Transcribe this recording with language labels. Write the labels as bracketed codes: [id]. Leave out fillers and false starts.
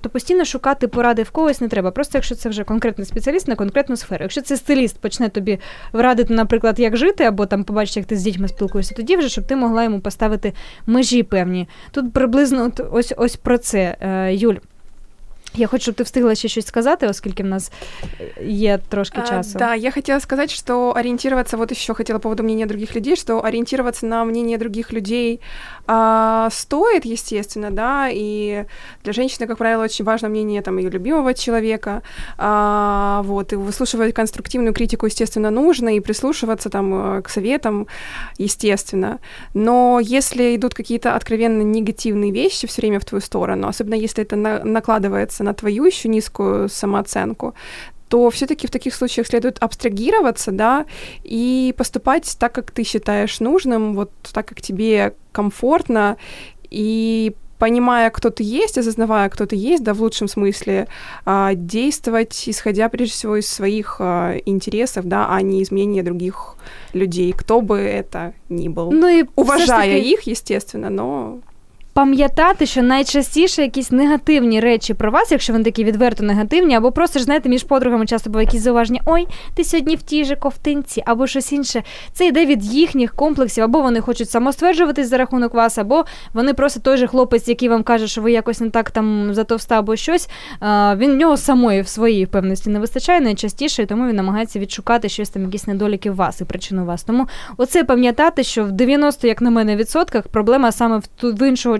[uk] Тобто постійно шукати поради в когось не треба. Просто якщо це вже конкретний спеціаліст на конкретну сферу. Якщо це стиліст почне тобі радити, наприклад, як жити, або там побачити, як ти з дітьми спілкуєшся, тоді вже, щоб ти могла йому поставити межі певні. Тут приблизно ось про це, Юль. [ru] Я хочу, чтобы ты [uk] встигла [ru] еще что-то сказать, поскольку у нас есть [uk] трошки часу. [ru] Да, я хотела сказать, что ориентироваться, вот еще хотела по поводу мнения других людей, что ориентироваться на мнение других людей стоит, естественно, да, и для женщины, как правило, очень важно мнение там ее любимого человека, и выслушивать конструктивную критику, естественно, нужно, и прислушиваться там к советам, естественно. Но если идут какие-то откровенно негативные вещи все время в твою сторону, особенно если это накладывается на твою еще низкую самооценку, то все-таки в таких случаях следует абстрагироваться, да, и поступать так, как ты считаешь нужным, вот так, как тебе комфортно, и понимая, кто ты есть, осознавая, кто ты есть, да, в лучшем смысле, действовать, исходя, прежде всего, из своих интересов, да, а не из мнения других людей, кто бы это ни был. Уважая их, естественно, но... [uk] пам'ятати, що найчастіше якісь негативні речі про вас, якщо вони такі відверто негативні, або просто ж, знаєте, між подругами часто бувають якісь зауваження, ой, ти сьогодні в тій же ковтинці, або щось інше. Це йде від їхніх комплексів, або вони хочуть самостверджуватись за рахунок вас, або вони просто той же хлопець, який вам каже, що ви якось не так там затовста або щось, він в нього самої в своїй певності не вистачає найчастіше, і тому він намагається відшукати щось там, якісь недоліки в вас і причину вас. Тому оце пам'ятати, що в 90, як на мене, відсотках проблема саме в іншого